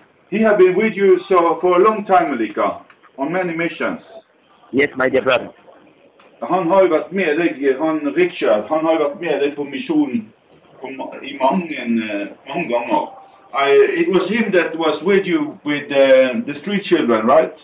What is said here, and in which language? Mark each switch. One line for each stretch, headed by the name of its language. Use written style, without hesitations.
English: He has been with you so for a long time, Malika, on many missions. Yes, my dear brother.
Norwegian: Han har vært med deg, han Richard har vært med deg på misjonen i mange ganger.
English: It was him that was with you with the street children, right?